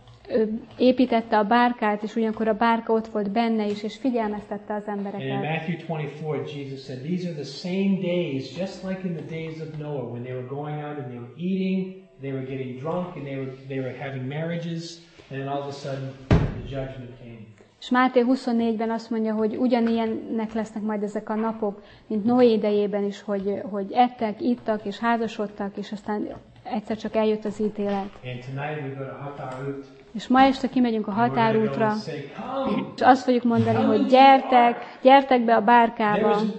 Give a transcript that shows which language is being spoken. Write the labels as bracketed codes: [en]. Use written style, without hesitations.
[hu] Ő építette a bárkát, és ugyankor a bárka ott volt benne is, és figyelmeztette az embereket. [en] And in Matthew 24, Jesus said, these are the same days, just like in the days of Noah, when they were going out and they were eating, they were getting drunk, and they were having marriages. And then all of a sudden, the judgment came. [hu] És Máté 24-ben azt mondja, hogy ugyanilyennek lesznek majd ezek a napok, mint Noé idejében is, hogy ettek, ittak és házasodtak, és aztán egyszer csak eljött az ítélet. [en] And tonight we go to határút. [hu] És ma este kimegyünk a határútra, és azt fogjuk mondani, hogy gyertek be a bárkába.